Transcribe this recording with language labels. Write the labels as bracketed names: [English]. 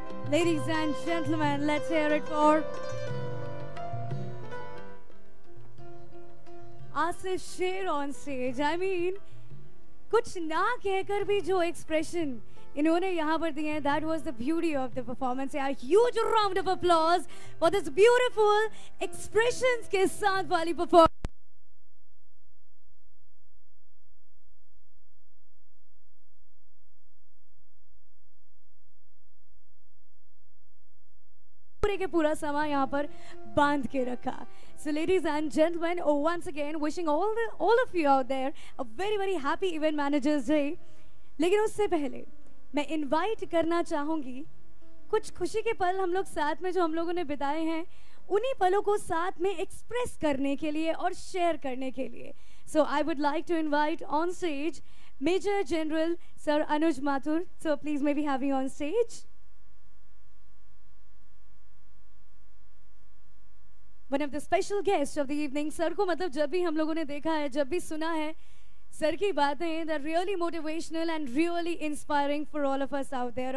[English] Ladies and gentlemen, let's hear it for Asif Sher on stage. [Hindi] I mean, कुछ ना कहकर भी जो एक्सप्रेशन इन्होंने यहाँ पर दिए, [English] That was the beauty of the performance. A huge round of applause for this beautiful expressions [Hindi] के साथ वाली परफॉर्मेंस. के पूरा समय यहाँ पर बांध के रखा. [English] So ladies and gentlemen, once again wishing all of you out there a very very happy event managers day. [Hindi] लेकिन उससे पहले मैं invite करना चाहूँगी कुछ खुशी के पल हम लोग साथ में जो हम लोगों ने बिताए हैं उन्हीं पलों को साथ में express करने के लिए और share करने के लिए. [English] So I would like to invite on stage Major General Sir Anuj Mathur. So please may we have you on stage. One of the special guests of the evening. [Hindi] Sir ko matlab jab bhi hum logon ne dekha hai, jab bhi suna hai, [English] sir ki baatein they are really motivational and really inspiring for all of us out there.